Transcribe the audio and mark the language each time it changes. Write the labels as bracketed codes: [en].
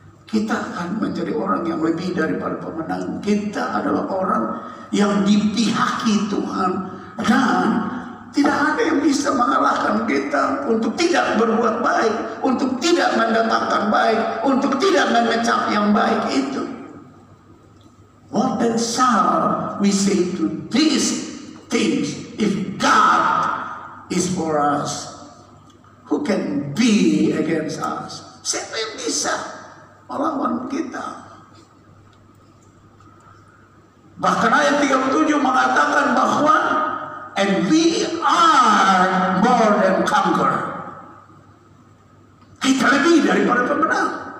[id] Kita akan menjadi orang yang lebih daripada pemenang. Kita adalah orang yang dipihaki Tuhan. Dan tidak ada yang bisa mengalahkan kita untuk tidak berbuat baik, untuk tidak mendatangkan baik, untuk tidak mengecap yang baik itu. [en] What then shall we say to these things? If God is for us, who can be against us? [id] Siapa yang bisa melawan kita? Bahkan ayat 37 mengatakan bahwa, and we are more than conquer. Kita lebih daripada pemenang.